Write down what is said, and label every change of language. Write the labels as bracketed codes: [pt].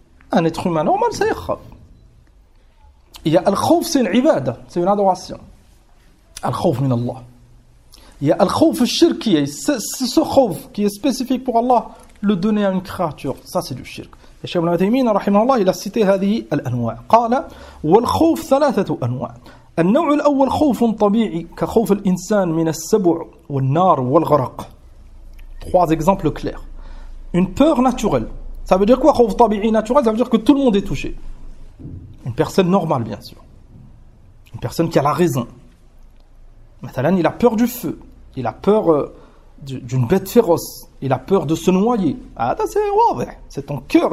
[fr] Un être humain normal, ça y est. Il y a al-khawf, c'est une ibadah, c'est une adoration. [ar] Al-khawf min Allah. [fr] Il y a al-khawf al-shirki, c'est ce khawf qui est spécifique pour Allah, le donner à une créature. Ça, c'est du shirk. Et Cheikh Ibn Uthaymeen, rahimahullah, il a cité [ar] هذه الأنواع. قال والخوف ثلاثة أنواع. النوع الأول خوف طبيعي كخوف الإنسان من السبع والنار والغرق. [fr] Trois exemples clairs. Une peur naturelle. Ça veut dire quoi, خوف طبيعي naturel? Ça veut dire que tout le monde est touché. Une personne normale, bien sûr. Une personne qui a la raison. Mathalan, il a peur du feu. Il a peur d'une bête féroce. Il a peur de se noyer. C'est ton cœur.